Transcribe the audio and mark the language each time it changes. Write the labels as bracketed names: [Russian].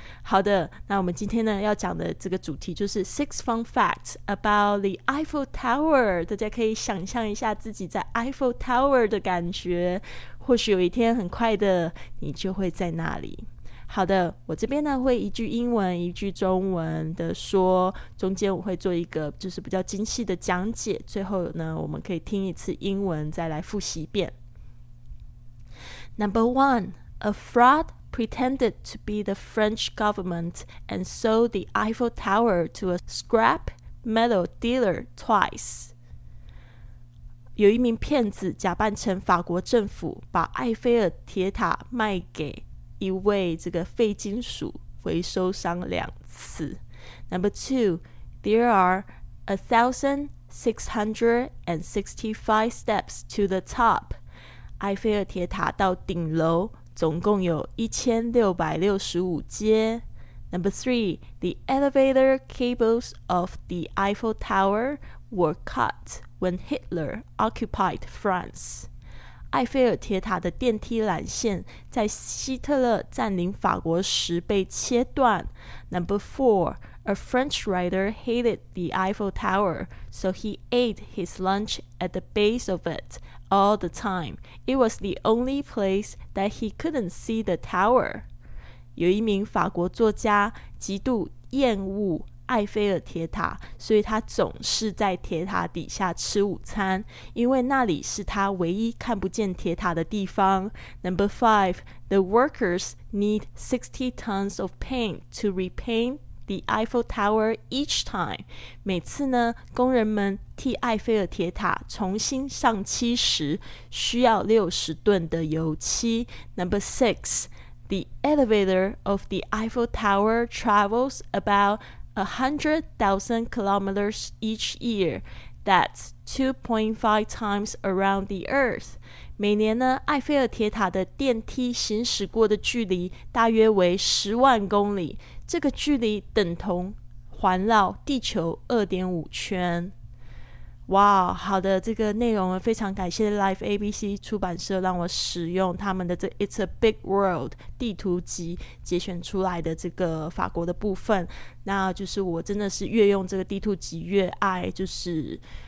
[Chinese] 好的，那我们今天呢要讲的这个主题就是 Six Fun Facts About the Eiffel Tower， 大家可以想象一下自己在 Eiffel Tower 的感觉，或许有一天很快的你就会在那里。好的，我这边呢会一句英文一句中文的说，中间我会做一个就是比较精细的讲解，最后呢我们可以听一次英文再来复习一遍。 [English] Number one, a fraud pretended to be the French government and sold the Eiffel Tower to a scrap metal dealer twice. [Chinese] 有一名骗子假扮成法国政府，把埃菲尔铁塔卖给一位这个废金属回收商两次。 [English] Number two, there are 1,665 steps to the top. [Chinese] 埃菲尔铁塔到顶楼总共有1,665阶。 [English] Number three, the elevator cables of the Eiffel Tower were cut when Hitler occupied France. [Chinese] 埃菲尔铁塔的电梯缆线在希特勒占领法国时被切断。 [English] Number four, a French writer hated the Eiffel Tower, so he ate his lunch at the base of it all the time. It was the only place that he couldn't see the tower. [Chinese] 有一名法国作家极度厌恶埃菲尔铁塔，所以他总是在铁塔底下吃午餐，因为那里是他唯一看不见铁塔的地方。 [English] Number five, the workers need 60 tons of paint to repaint the Eiffel Tower each time. [Chinese] 每次呢工人们替埃菲尔铁塔重新上漆时需要60吨的油漆。 [English] Number six, the elevator of the Eiffel Tower travels about 100,000 kilometers each year. That's 2.5 times around the earth. [Chinese] 每年呢，埃菲尔铁塔的电梯行驶过的距离大约为10万公里。这个距离等同环绕地球 2.5 圈。哇，好的，这个内容非常感谢 Life ABC 出版社让我使用他们的这 It's a Big World 地图集节选出来的这个法国的部分，那就是我真的是越用这个地图集越爱，就是